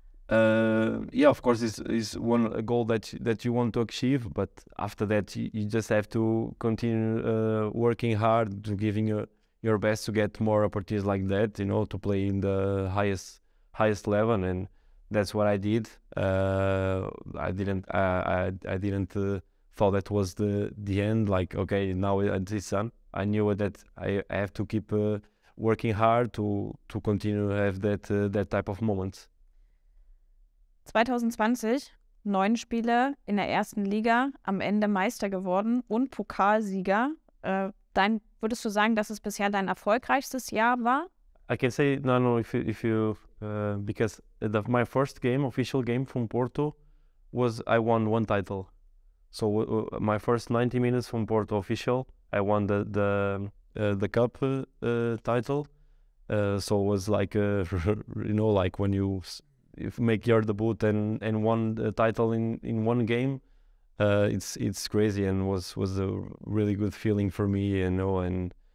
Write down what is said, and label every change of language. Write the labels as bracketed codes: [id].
[en] Yeah, of course, it's one a goal that you want to achieve, but after that, you just have to continue working hard, to giving your best to get more opportunities like that, you know, to play in the highest level, and that's what I did. I didn't thought that was the end. Like, okay, now it's done. I knew that I have to keep working hard to continue to have that type of moments. [de] 2020, 9 Spiele in der ersten Liga, am Ende Meister geworden und Pokalsieger. Dein, würdest du sagen, dass es bisher dein erfolgreichstes Jahr war? [en] I can say no, because the, my first game, official game from Porto, was I won one title. So my first 90 minutes from Porto official, I won the cup title. So it was like you know, like when you. If make your debut and won the title in one game, it's crazy, and was a really good feeling for me, you know, and